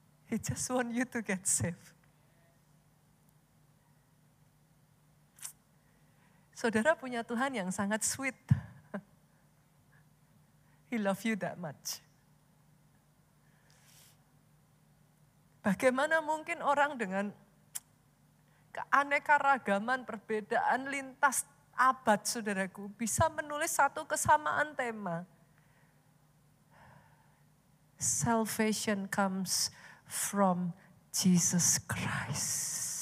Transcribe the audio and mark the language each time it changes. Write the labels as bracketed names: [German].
[English] He just want you to get saved. [Indonesian] Saudara punya Tuhan yang sangat sweet. [English] He love you that much. [Indonesian] Bagaimana mungkin orang dengan keanekaragaman, perbedaan lintas abad, saudaraku, bisa menulis satu kesamaan tema? [English] Salvation comes from Jesus Christ.